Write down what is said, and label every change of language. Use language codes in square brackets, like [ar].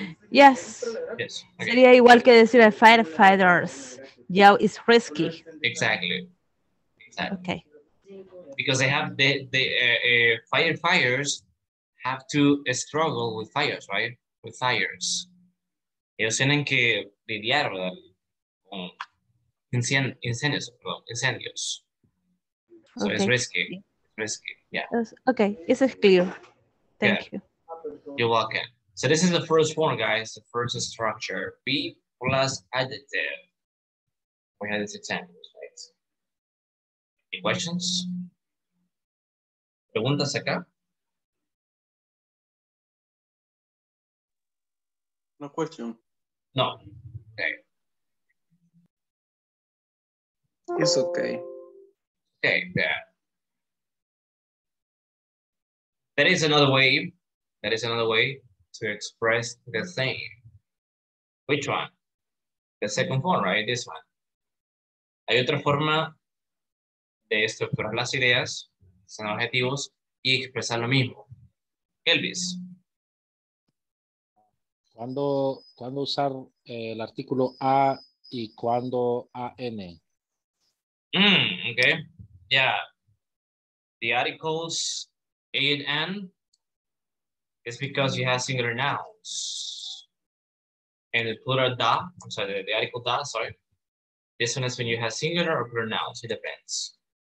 [en] Yes. Yes. Okay. [es] Sería igual que decir [en] firefighters. Yeah, it's risky. Exactly. Exactly. Okay. Because they have firefighters have to struggle with fires, right? With fires. [es] Ellos tienen que lidiar con incendios, perdón, incendios. [en] So okay. It's risky. Risky. Yeah. Okay. This is clear. Thank you. You're welcome. So this is the first one, guys. The first structure. Be plus adjective. We had this example, right? Any questions? [es] ¿Preguntas acá? [en] No question. No. Okay. It's okay. Okay, yeah. That is another way. That is another way to express the same. Which one? The second one, right? This one. [es] Hay otra forma de estructurar las ideas, son objetivos, y expresar lo mismo. Elvis. ¿Cuándo usar el artículo A y cuándo AN? [en] Okay. Yeah. The articles A and N is because you have singular nouns. And the plural da, I'm sorry, the article da, sorry. This one is when you have singular or plural nouns, it depends.